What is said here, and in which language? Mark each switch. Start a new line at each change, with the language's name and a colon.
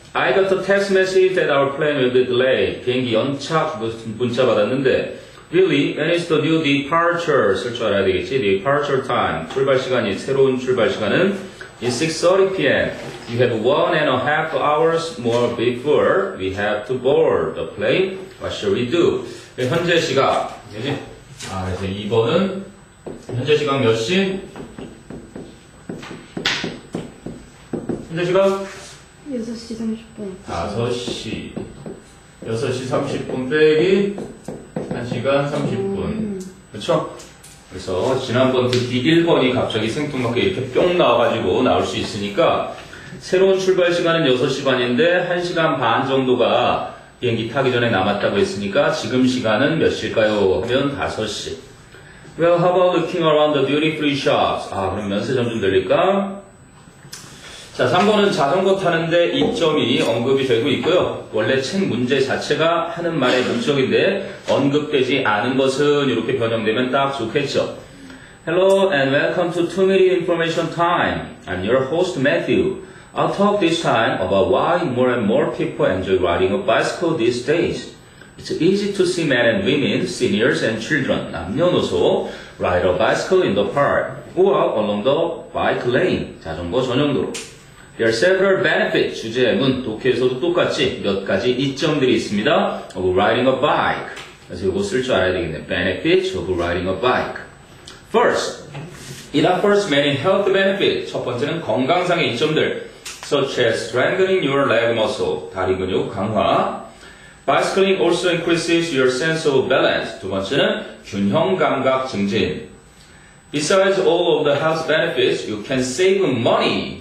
English: I got a text message that our plane will be delayed.
Korean: 비행기 연착 문자 받았는데.
English: Really? When is the new departure?
Korean: 쓸줄 알아야 되겠지?
English: Departure time.
Korean: 출발 시간이, 새로운 출발 시간은
English: is 6:30 p.m. You have 1.5 hours more before we have to board the plane. What shall we do?
Korean: 현재 시각. 그지? 아, 그래서 2번은 현재 시각 몇 시? 현재 시각? 6시 30분. 5시. 6시 30분 빼기 1시간 30분. 그렇죠? 그래서 지난번 듣기 1번이 갑자기 생뚱맞게 이렇게 뿅 나와가지고 나올 수 있으니까, 새로운 출발 시간은 6시 반인데 1시간 반 정도가 비행기 타기 전에 남았다고 했으니까 지금 시간은 몇 시일까요? 하면 5시.
English: Well, how about looking around the duty free shops?
Korean: 아, 그럼 면세점 좀 들릴까? 자, 3번은 자전거 타는데 이 점이 언급이 되고 있고요. 원래 책 문제 자체가 하는 말의 목적인데 언급되지 않은 것은 이렇게 변형되면 딱 좋겠죠.
English: Hello and welcome to 2-minute information time. I'm your host Matthew. I'll talk this time about why more and more people enjoy riding a bicycle these days. It's easy to see men and women, seniors and children,
Korean: 남녀노소,
English: ride a bicycle in the park or along the bike lane,
Korean: 자전거 전용도로.
English: There are several benefits.
Korean: 주제문. 독해에서도 똑같이 몇 가지 이점들이 있습니다.
English: Of riding a bike.
Korean: 그래서 이거 쓸줄 알아야 되겠네.
English: Benefits of riding a bike. First, it offers many health benefits.
Korean: 첫 번째는 건강상의 이점들.
English: Such as strengthening your leg muscle.
Korean: 다리 근육 강화.
English: Bicycling also increases your sense of balance.
Korean: 두 번째는 균형 감각 증진.
English: Besides all of the health benefits, you can save money.